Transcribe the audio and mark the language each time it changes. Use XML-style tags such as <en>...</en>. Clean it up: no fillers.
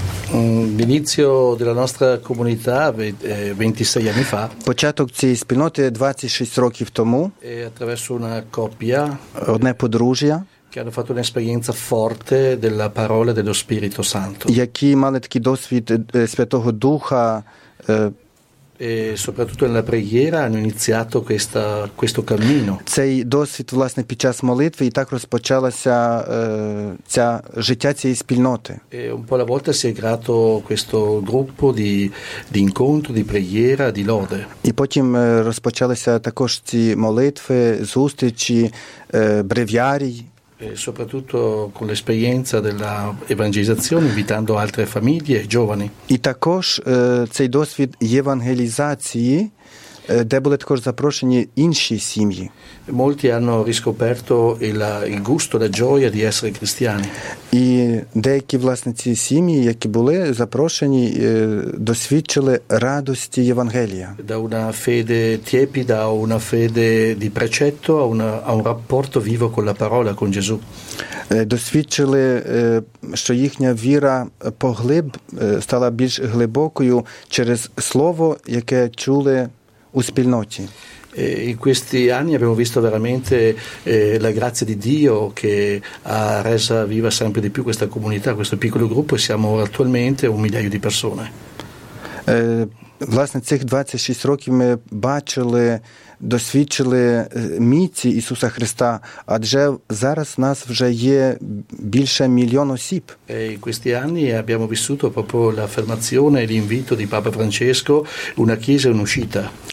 <it>l'inizio della nostra comunità 26 anni fa.</it> <uk>Початок цієї спільноти 26 років тому.</uk> <it>E attraverso una coppia,</it> <uk>одне подружжя,</uk> <it>che hanno fatto un'esperienza forte della parola dello Spirito Santo.</it> <uk>Які мали такий досвід Святого Духа,</uk> <it>e soprattutto nella preghiera hanno iniziato questo cammino.</it> <uk>Цей досвід, власне, під час молитви, і так розпочалася ця життя цієї спільноти.</uk> <it>E un po' alla volta si è creato questo gruppo di incontro, di preghiera, di lode.</it> <uk>І потім розпочалися також ці молитви, зустрічі, бревіарій.</uk> <it>Soprattutto con l'esperienza della evangelizzazione, invitando altre famiglie, giovani.</it> <uk>І також цей досвід євангелізації, де були також запрошені інші сім'ї.</uk> <it>Molti hanno riscoperto il gusto, la gioia di essere cristiani.</it> <uk>І деякі, власне, ці сім'ї, які були запрошені, досвідчили радості Євангелія.</uk> <it>Da una fede tiepida a una fede di precetto, a un rapporto vivo con la parola, con Gesù.</it> <uk>Досвідчили, що їхня віра стала більш глибокою через слово, яке чули у спільноті.</uk> <it>In questi anni abbiamo visto veramente la grazia di Dio che ha resa viva sempre di più questa comunità, questo piccolo gruppo, e siamo attualmente un migliaio di persone.</it> <uk>Власне, цих 26 років ми бачили, досвідчили міці Ісуса Христа, адже зараз нас вже є більше мільйона осіб.</uk> <it>E in questi anni abbiamo vissuto proprio l'affermazione e l'invito di Papa Francesco, una chiesa in uscita.</it>